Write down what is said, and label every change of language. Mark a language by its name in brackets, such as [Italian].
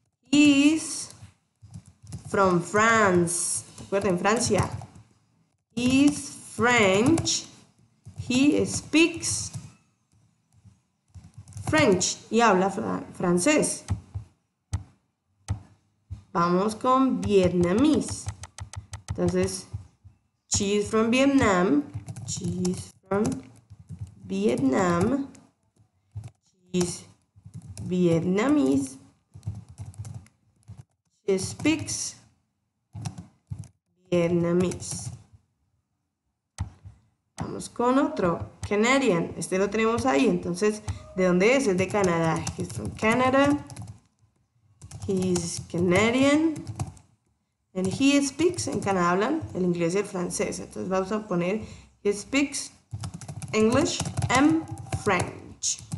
[English] He's from France. [Spanish] Recuerda, en Francia. [English] He's French. He speaks French [Spanish] y habla francés. Vamos con vietnamese. [English] Entonces, she is from Vietnam. She is from Vietnam. She is Vietnamese. She speaks Vietnamese. [Spanish] Vamos con otro. Canadian. Este lo tenemos ahí. Entonces, ¿de dónde es? Es de Canadá. [English] He's from Canada. He is Canadian. And he speaks. [Spanish] En Canadá hablan el inglés y el francés. Entonces vamos a poner [English] he speaks English and French.